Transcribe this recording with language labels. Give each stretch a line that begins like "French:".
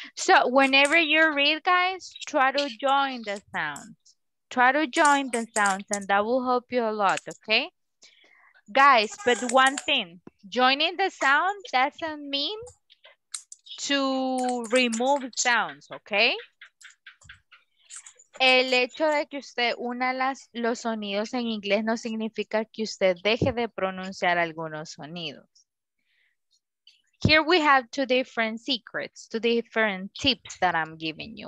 English: So whenever you read, guys, try to join the sounds. Try to join the sounds and that will help you a lot, okay? Guys, but one thing, joining the sound doesn't mean to remove sounds, okay?
Spanish: El hecho de que usted una los sonidos en inglés no significa que usted deje de pronunciar algunos sonidos.
English: here we have two different secrets, two different tips that I'm giving you.